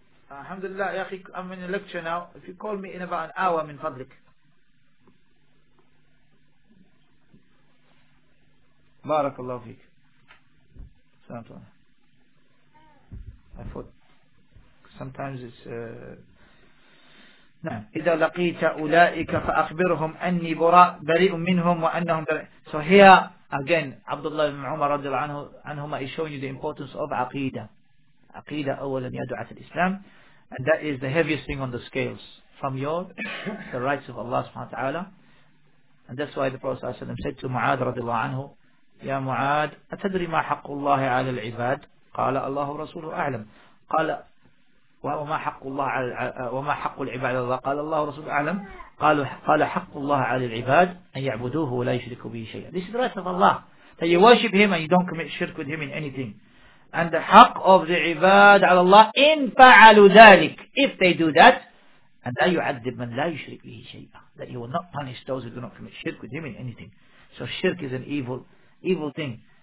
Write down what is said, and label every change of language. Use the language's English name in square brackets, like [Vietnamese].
[English] Alhamdulillah, Yaqi, I'm in a lecture now. If you call me in about an hour, I'm in public. Barakallahu fiqh. Salam to Allah. I thought sometimes it's... [Arabic] إذا لقيت أولئك فأخبرهم أني بريء منهم وأنهم بريء. [English] So here again, Abdullah ibn Umar رضي الله عنهما is showing you the importance of عقيدة. [Arabic] عقيدة أولا يا دعاة الإسلام, [English] and that is the heaviest thing on the scales from your the rights of Allah سبحانه وتعالى. And that's why the Prophet صلى الله عليه وسلم said to [Arabic] معاذ رضي الله عنه, يا معاذ أتدري ما حق الله على العباد؟ قال الله ورسوله أعلم. قال وما حق الله على وما حق العباد الله؟ قال الله رسول أعلم. قال حق الله على العباد أن يعبدوه ولا يشركوا به شيئا. [English] This is the rights of Allah. That you worship Him and you don't commit shirk with Him in anything. And the حق of the عباد على الله [Arabic] إن فعلوا ذلك. [English] If they do that, and [Arabic] لا يعذب من لا يشرك به شيئا. [English] That He will not punish those who do not commit shirk with Him in anything. So shirk is an evil thing.